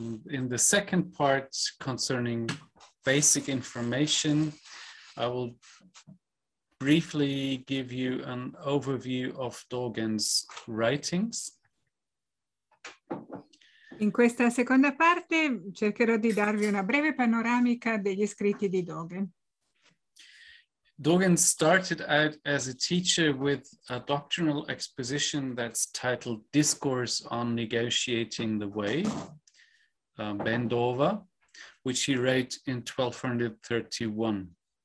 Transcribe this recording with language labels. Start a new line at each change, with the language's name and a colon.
English: In the second part concerning basic information, I will briefly give you an overview of Dogen's writings.
Italian: In questa seconda parte cercherò di darvi una breve panoramica degli scritti di Dogen.
English: Dogen started out as a teacher with a doctrinal exposition that's titled Discourse on Negotiating the Way, Bendova, which he wrote in 1231.